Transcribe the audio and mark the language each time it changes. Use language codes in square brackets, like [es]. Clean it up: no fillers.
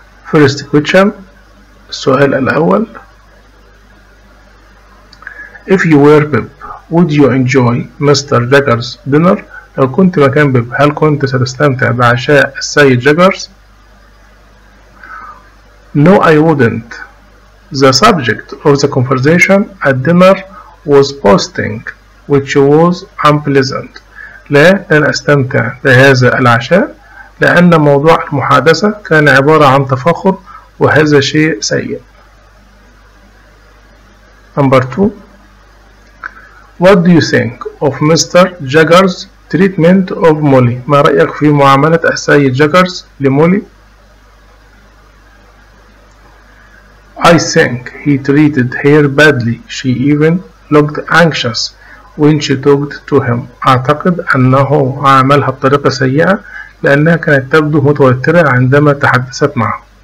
[en] first question, [ar] السؤال الاول: [en] If you were Pip, would you enjoy Mr. Jaggers' dinner? [ar] لو كنت مكان بيب، هل كنت ستستمتع بعشاء السيد جاجرز؟ [en] No, I wouldn't. The subject of the conversation at dinner was posting, which was unpleasant. [ar] لا، لن أستمتع بهذا العشاء، لأن موضوع المحادثة كان عبارة عن تفاخر، وهذا شيء سيء. [en] Number two. What do you think of Mr. Jaggers' treatment of Molly? [ar] ما رأيك في معاملة السيد جاجرز لمولي؟ [en] I think he treated her badly. She even looked anxious when she talked to him. [ar] أعتقد أنه عاملها بطريقة سيئة لأنها كانت تبدو متوترة عندما تحدثت معه.